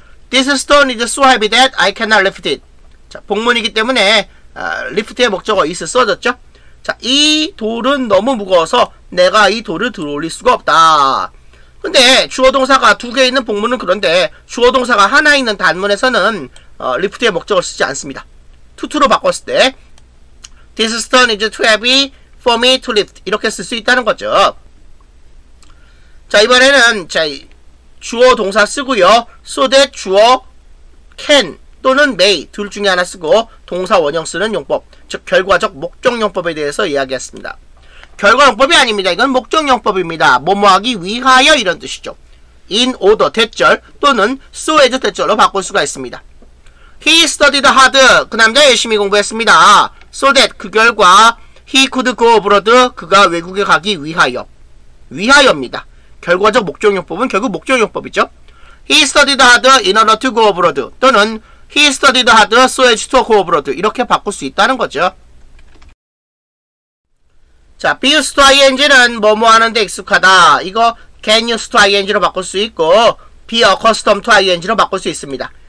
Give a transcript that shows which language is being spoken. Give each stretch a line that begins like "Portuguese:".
English: This stone is so heavy that I cannot lift it.
Korean: 자, 복문이기 때문에 리프트의 목적어 is 써졌죠. 자, 이 돌은 너무 무거워서 내가 이 돌을 들어올릴 수가 없다. 근데 주어동사가 두 개 있는 복문은 그런데 주어동사가 하나 있는 단문에서는 리프트의 목적어 쓰지 않습니다. to로 바꿨을 때
English: This stone is too heavy for me to lift.
Korean: 이렇게 쓸 수 있다는 거죠. 자, 이번에는 자, 주어 동사 쓰고요. So that 주어 can 또는 may 둘 중에 하나 쓰고 동사 원형 쓰는 용법, 즉 결과적 목적 용법에 대해서 이야기했습니다. 결과 용법이 아닙니다. 이건 목적 용법입니다. 뭐뭐하기 위하여 이런 뜻이죠. In order 대절 또는 so as 대절로 바꿀 수가 있습니다.
English: He studied hard.
Korean: 그 남자 열심히 공부했습니다.
English: So that
Korean: 그 결과
English: he could go abroad.
Korean: 그가 외국에 가기 위하여. 위하여입니다. 결과적 목적용법은 결국 목적용법이죠.
English: He studied hard in order to go abroad.
Korean: 또는
English: he studied hard so as to go abroad.
Korean: 이렇게 바꿀 수 있다는 거죠. 자, be used to ing는 뭐뭐 하는데 익숙하다. 이거 can used to ing로 바꿀 수 있고 be accustomed to ing로 바꿀 수 있습니다.